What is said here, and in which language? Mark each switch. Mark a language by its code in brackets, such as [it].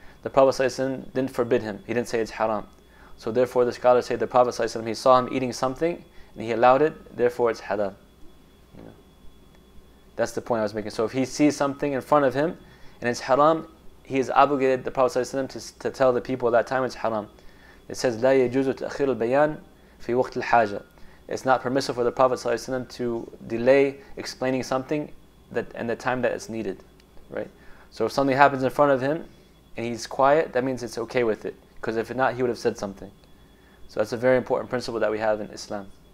[en] The Prophet Sallallahu Alaihi Wasallam didn't forbid him. He didn't say it's haram. So therefore, the scholars say the Prophet Sallallahu Alaihi Wasallam, he saw him eating something and he allowed it, therefore it's halal. You know? That's the point I was making. So if he sees something in front of him and it's haram, he is obligated, the Prophet Sallallahu Alaihi Wasallam, to tell the people at that time it's haram. It says, [ar] لا يجوز تأخير البيان في وقت الحاجة. [en] It's not permissible for the Prophet Sallallahu Alaihi Wasallam to delay explaining something that and the time that it's needed. Right? So if something happens in front of him and he's quiet, that means it's okay with it. Because if not, he would have said something. So that's a very important principle that we have in Islam.